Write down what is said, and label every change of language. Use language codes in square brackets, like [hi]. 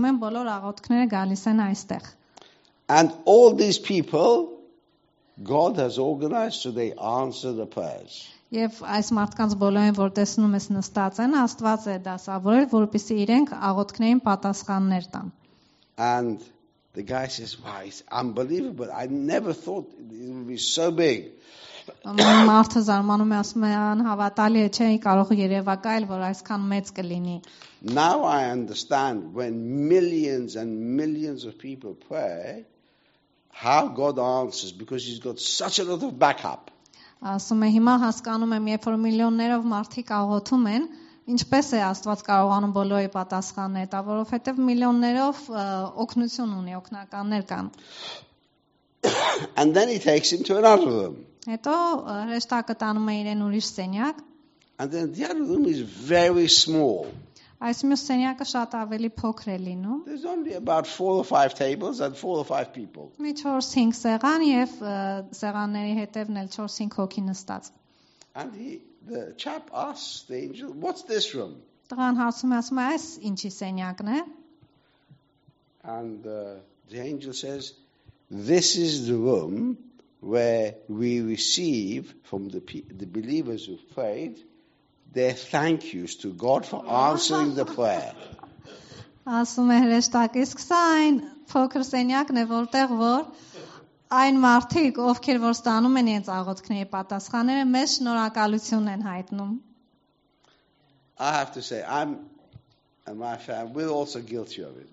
[en] And all these people, God has organized so they answer the prayers. [hy] Եվ այս մարդկանց բոլորին, որ տեսնում ես նստած են, Աստված է դասավորել, որպեսզի իրենք աղոթքներին պատասխաններ տան. [en] And the guy says, "Wow, it's unbelievable. I never thought it would be so big." [hy] Մարդը զարմանում է, ասում է, անհավատալի է, չէի կարող երևակայել, որ այսքան մեծ կլինի. [en] Now I understand when millions and millions of people pray, how God answers, because he's got such a lot of backup. [hy] Ասում եմ, հիմա հասկանում եմ, երբ որ միլիոններով մարդիկ աղոթում են, ինչպես է Աստված կարողանում բոլորի պատասխանը, դա որովհետև միլիոններով օգնություն ունի, օգնականներ կան. [en] And then he takes him to another room. [hy] Հետո հրեշտակը տանում է իրեն ուրիշ սենյակ. [en] And then the other room is very small. [hy] Այս մյուս սենյակը շատ ավելի փոքր է լինում. [en] There's only about 4 or 5 tables and 4 or 5 people. [hy] Մի 4-5 սեղան եւ սեղանների հետևն էլ 4-5 հոգի նստած։ [en] And the chap asks the angel, "What's this room?" [hy] Տղան հարցում է, ասում է, «Այս ինչի սենյակն է»։ [en] And the angel says, "This is the room where we receive from the believers who prayed their thank yous to God for answering the prayer." [hy] Ասում է հրեշտակը, իսկ սա այն փոքր սենյակն է, որտեղ որ այն մարդիկ, ովքեր որ ստանում են իրենց աղոթքների պատասխանները, մեծ շնորհակալություն են հայտնում. [en] I have to say, I'm and my family, we're also guilty of it.